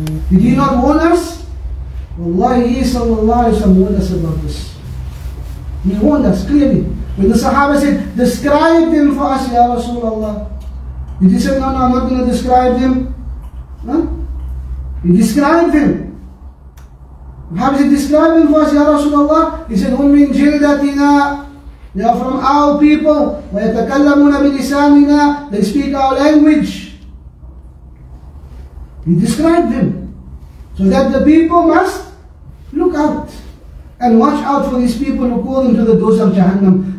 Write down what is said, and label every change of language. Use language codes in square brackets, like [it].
[en] Did he not warn us? Wallahi, he sallallahu alayhi wa sallam warned us about this. He warned us clearly. When the Sahaba said, describe them for us, Ya Rasulullah. Did he say, no, I'm not going to describe them? He described them. How is he describing for us, Ya Rasulullah? He said, [ar] هُمْ مِنْ جِلْدَتِنَا. [en] They are from our people. [ar] وَيَتَكَلَّمُونَ بِلِسَانِنَا. [en] They speak our language. He described them. So that the people must look out and watch out for these people who call them to the doors of Jahannam.